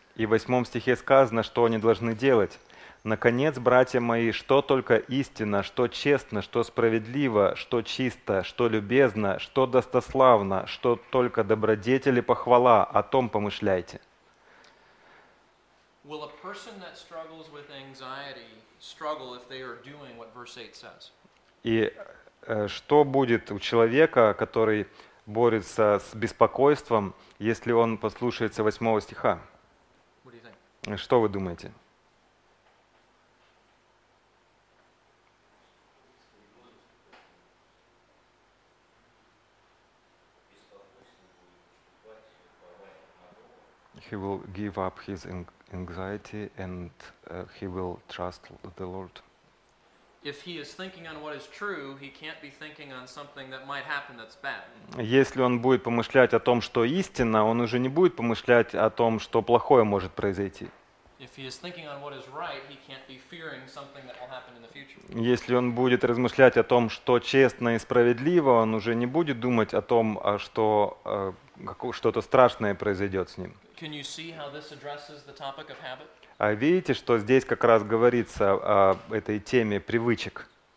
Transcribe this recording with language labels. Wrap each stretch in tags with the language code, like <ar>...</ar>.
<ru>И в 8 стихе сказано, что они должны делать. «Наконец, братья мои, что только истинно, что честно, что справедливо, что чисто, что любезно, что достославно, что только добродетель и похвала, о том помышляйте».</ru> <en>Will a person that struggles with anxiety struggle if they are doing what verse 8 says?</en> <ru>И что будет у человека, который борется с беспокойством, если он послушается 8 стиха? Что вы думаете?</ru> <en>He will give up his anxiety and he will trust the Lord. If he is thinking on what is true, he can't be thinking on something that might happen that's bad.</en> <ru>Если он будет помышлять о том, что истинно, он уже не будет помышлять о том, что плохое может произойти.</ru> <en>If he is thinking on what is right, he can't be fearing something that will happen in the future.</en> <ru>Если он будет размышлять о том, что честно и справедливо, он уже не будет думать о том, что что-то страшное произойдет с ним.</ru> <en>Can you see how this addresses the topic of habit?</en> <ru>А видите, что здесь как раз говорится о этой теме привычек?</ru>